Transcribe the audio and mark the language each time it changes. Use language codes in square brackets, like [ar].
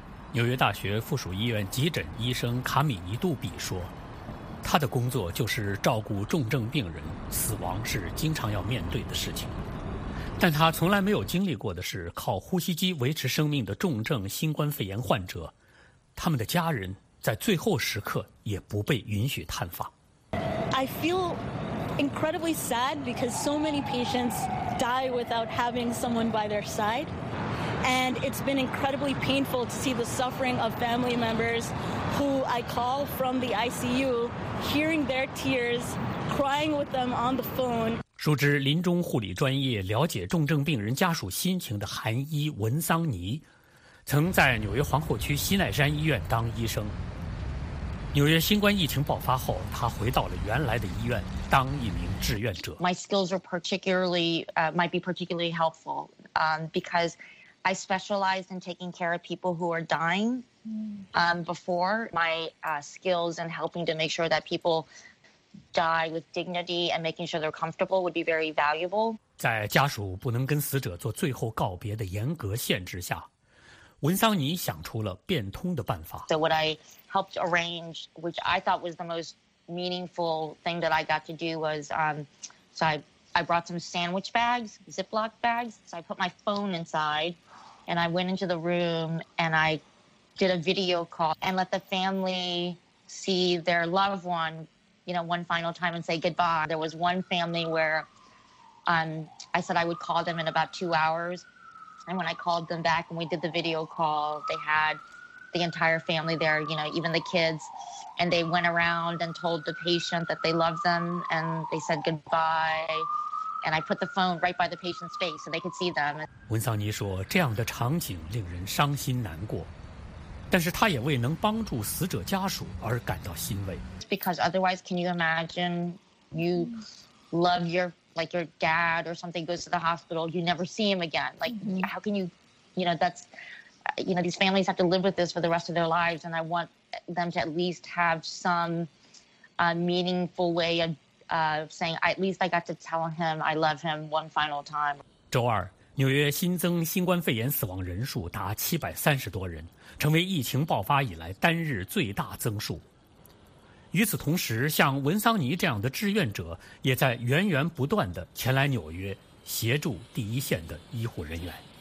[zh] 纽约大学附属医院急诊医生卡米尼杜比说，他的工作就是照顾重症病人，死亡是经常要面对的事情。但他从来没有经历过的是靠呼吸机维持生命的重症新冠肺炎患者，他们的家人在最后时刻也不被允许探访。 [en] I feel incredibly sad because so many patients die without having someone by their side. And it's been incredibly painful to see the suffering of family members who I call from the ICU, hearing their tears, crying with them on the phone. [zh] 熟知临终护理专业、了解重症病人家属心情的韩医文桑尼，曾在纽约皇后区西奈山医院当医生。纽约新冠疫情爆发后，他回到了原来的医院当一名志愿者。 [en] My skills are particularly, might be particularly helpful, because. I specialized in taking care of people who are dying before. My skills in helping to make sure that people die with dignity and making sure they're comfortable would be very valuable. [zh] 在家属不能跟死者做最后告别的严格限制下，文桑尼想出了变通的办法。 [en] So what I helped arrange, which I thought was the most meaningful thing that I got to do was, so I brought some sandwich bags, Ziploc bags. So I put my phone inside and I went into the room and I did a video call and let the family see their loved one, you know, one final time and say goodbye. There was one family where I said I would call them in about 2 hours. And when I called them back and we did the video call, they had the entire family there, you know, even the kids. And they went around and told the patient that they loved them and they said goodbye. And I put the phone right by the patient's face so they could see them. [zh] 文桑尼说，这样的场景令人伤心难过。但是他也为能帮助死者家属而感到欣慰。 [en] Because otherwise, can you imagine you love your, like your dad or something goes to the hospital, you never see him again. Like, how can you, you know, that's, you know, these families have to live with this for the rest of their lives. And I want them to at least have some meaningful way of saying, at least I got to tell him I love him one final time. [zh] 周二，纽约新增新冠肺炎死亡人数达730多人，成为疫情爆发以来单日最大增数。与此同时，像文桑尼这样的志愿者也在源源不断地前来纽约协助第一线的医护人员。